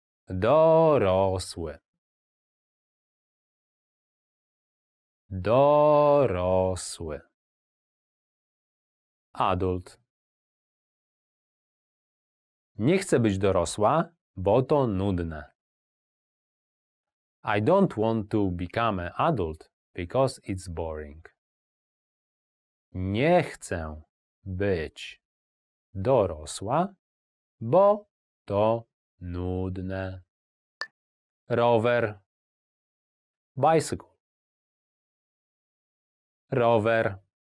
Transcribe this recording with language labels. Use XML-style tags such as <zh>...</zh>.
<pl>Dorosły. Dorosły.</pl> <en>Adult.</en> <pl>Nie chcę być dorosła, bo to nudne.</pl> <en>I don't want to become an adult because it's boring.</en> <pl>Nie chcę być dorosła, bo to nudne. Rower.</pl> <en>Bicycle.</en> <pl>Rower.</pl>